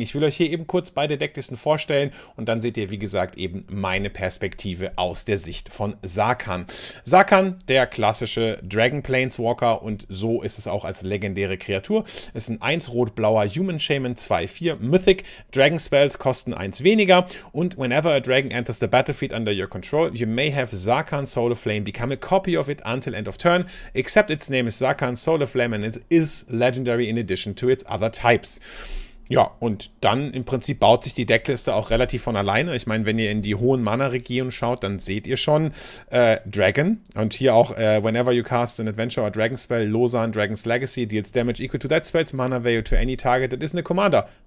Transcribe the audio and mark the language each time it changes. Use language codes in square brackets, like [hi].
[de] Ich will euch hier eben kurz beide Decklisten vorstellen und dann seht ihr, wie gesagt, eben meine Perspektive aus der Sicht von Sarkhan. Sarkhan, der klassische Dragon Planeswalker und so ist es auch als legendäre Kreatur. Es ist ein 1 rot-blauer Human Shaman 2-4 Mythic. Dragon Spells kosten 1 weniger und [en] whenever a dragon enters the battlefield under your control, you may have Sarkhan Soul of Flame become a copy of it until end of turn, except its name is Sarkhan Soul of Flame and it is legendary in addition to its other types. [de] Ja, und dann im Prinzip baut sich die Deckliste auch relativ von alleine. Ich meine, wenn ihr in die hohen Mana-Regionen schaut, dann seht ihr schon Dragon. Und hier auch, [en] whenever you cast an Adventure or Dragon Spell, Lozan, Dragon's Legacy, deals damage equal to that spell's mana value to any target that isn't a commander.